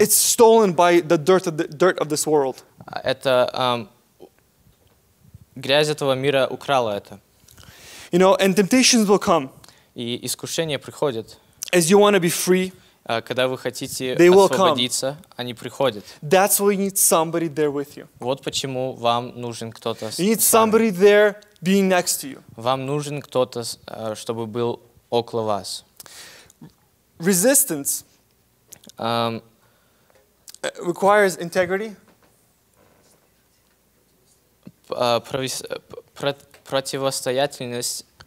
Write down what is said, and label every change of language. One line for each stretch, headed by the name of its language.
English: it's stolen by the dirt of this world.
Russian: Это грязь этого мира украла это.
English: You know, and temptations will come.
Russian: И искушения приходят.
English: As you want to be free,
Russian: когда вы хотите освободиться, они приходят.
English: That's why you need somebody there with you.
Russian: Вот почему вам нужен кто-то.
English: You need somebody there being next to you.
Russian: Вам нужен кто-то, чтобы был около вас.
English: Resistance requires integrity.
Russian: Противостоятельность